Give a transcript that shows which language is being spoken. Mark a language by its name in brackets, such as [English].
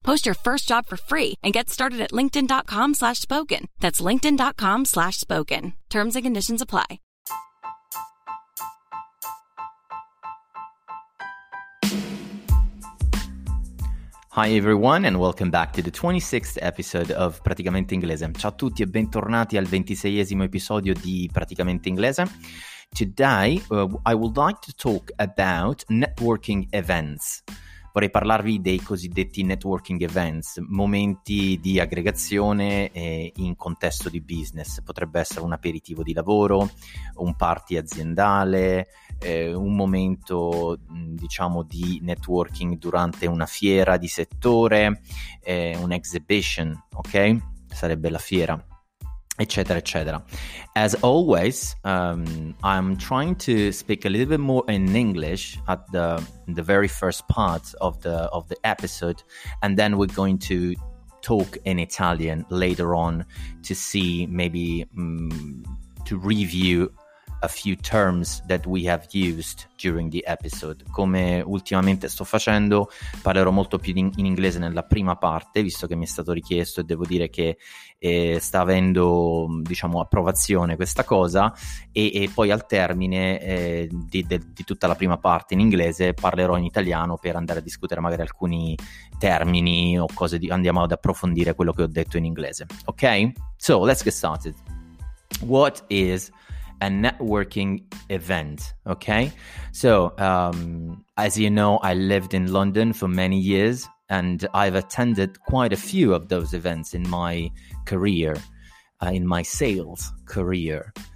[English] Post your first job for free and get started at linkedin.com/spoken. That's linkedin.com/spoken. Terms and conditions apply. Hi everyone and welcome back to the 26th episode of Praticamente Inglese. [Italian] Ciao a tutti e bentornati al 26esimo episodio di Praticamente Inglese. [English] Today I would like to talk about networking events. [Italian] Vorrei parlarvi dei cosiddetti networking events, momenti di aggregazione in contesto di business. Potrebbe essere un aperitivo di lavoro, un party aziendale, un momento, diciamo, di networking durante una fiera di settore, un exhibition, ok? Sarebbe la fiera, eccetera, eccetera. [English] As always, I'm trying to speak a little bit more in English at the very first part of the episode, and then we're going to talk in Italian later on to see maybe to review a few terms that we have used during the episode. [Italian] Come ultimamente sto facendo, parlerò molto più in inglese nella prima parte, visto che mi è stato richiesto, e devo dire che sta avendo, diciamo, approvazione questa cosa, e poi al termine di tutta la prima parte in inglese parlerò in italiano per andare a discutere magari alcuni termini o cose andiamo ad approfondire quello che ho detto in inglese. [English] Ok? So, let's get started. What is a networking event? Okay, so as you know, I lived in London for many years and I've attended quite a few of those events in my career, in my sales career.